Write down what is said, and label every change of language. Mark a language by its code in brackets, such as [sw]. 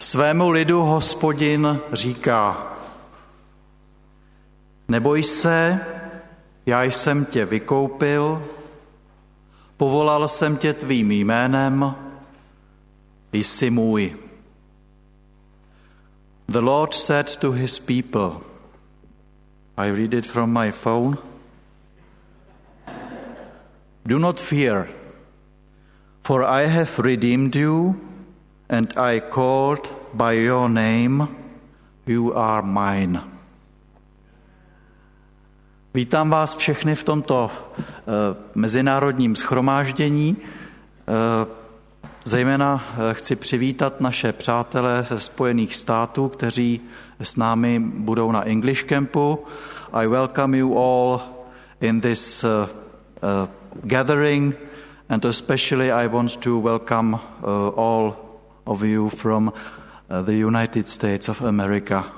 [cs] Svému lidu Hospodin říká: Neboj se, já jsem tě vykoupil, povolal jsem tě tvým jménem, jsi můj. [en] The Lord said to his people, I read it from my phone, do not fear, for I have redeemed you, and I called by your name, you are mine. [cs] Vítám vás všechny v tomto mezinárodním shromáždění. Zejména chci přivítat naše přátelé ze Spojených států, kteří s námi budou na English Campu. [en] I welcome you all in this gathering, and especially I want to welcome all of you from the United States of America.